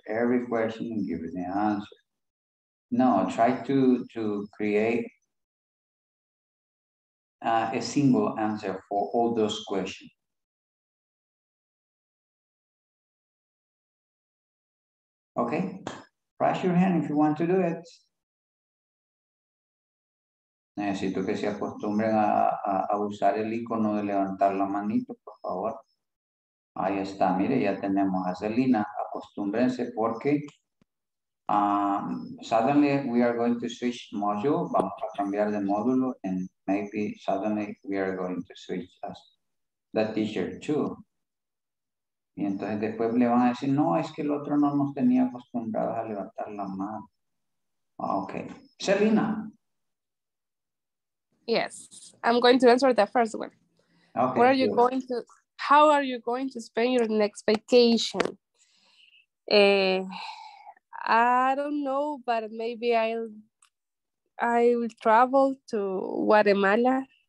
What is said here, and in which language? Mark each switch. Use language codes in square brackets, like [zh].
[en] Every question and giving an answer. No, try to create a single answer for all those questions. Okay, raise your hand if you want to do it. [es] Necesito que se acostumbren a usar el icono de levantar la manito, por favor. Ahí está, mire, ya tenemos a Selena. Acostúmbrense porque [en] suddenly we are going to switch module. [es] Vamos a cambiar de módulo [en] and maybe suddenly we are going to switch as the teacher too. [es] Y entonces después le van a decir, no, es que el otro no nos tenía acostumbrados a levantar la mano. Ok. Selena. [en] Yes, I'm going to answer the first one. Okay, where are you going to? How are you going to spend your next vacation? I don't know, but maybe I will travel to Guatemala.